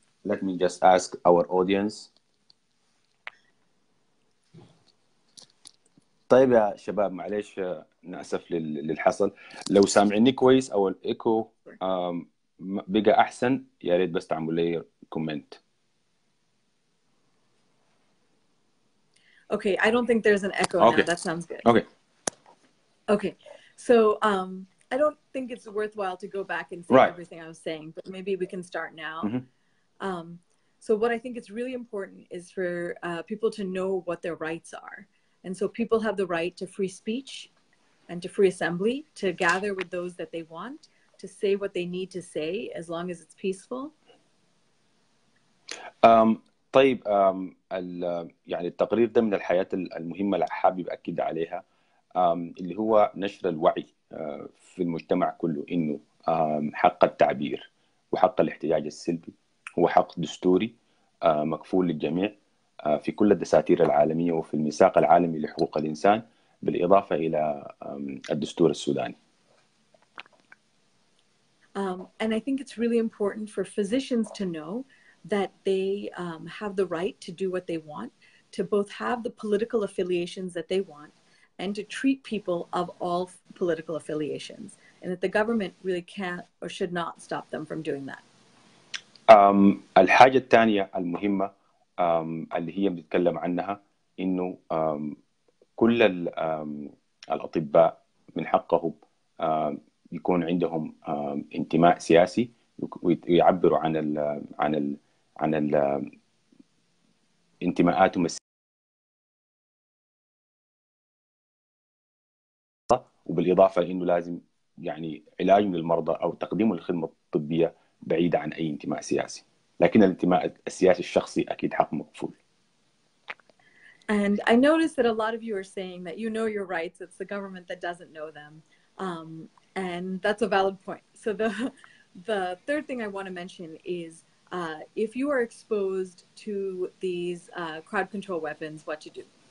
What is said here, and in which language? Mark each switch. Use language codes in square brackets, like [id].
[en] Let me just ask our audience. [ar] طيب يا شباب معلش نأسف للحصل لو سامعيني كويس أو الإيكو بقى أحسن يا ريت بس تعملوا لي كومنت. [en] Okay, I don't think there's an echo okay. Now. That sounds good. Okay. Okay. So I don't think it's worthwhile to go back and say right. Everything I was saying, but maybe we can start now. Mm-hmm. So what I think is really important is for people to know what their rights are. And so people have the right to free speech and to free assembly, to gather with those that they want, to say what they need to say, as long as it's peaceful. [ar] طيب يعني التقرير ده من الحياة المهمة اللي حابب أكد عليها اللي هو نشر الوعي في المجتمع كله إنه حق التعبير وحق الاحتجاج السلبي هو حق دستوري مكفول للجميع في كل الدساتير العالمية وفي الميثاق العالمي لحقوق الإنسان بالإضافة إلى الدستور السوداني. [en] And I think it's really important for physicians to know that they have the right to do what they want, to both have the political affiliations that they want, and to treat people of all political affiliations, and that the government really can't or should not stop them from doing that. [ar] الحاجة الثانية المهمة اللي هي بتتكلم عنها إنه كل الأطباء من حقهم يكون عندهم انتماء سياسي ويعبروا عن الـ عن الـ عن الـ انتماءاتهم السياسية وبالإضافة إنه لازم يعني علاج للمرضى أو تقديم الخدمة الطبية بعيدة عن أي انتماء سياسي، لكن الانتماء السياسي الشخصي أكيد حق مقفول. [en] And I noticed that a lot of you are saying that you know your rights, it's the government that doesn't know them. And that's a valid point. So the third thing I want to mention is if you are exposed to these crowd control weapons, what to do.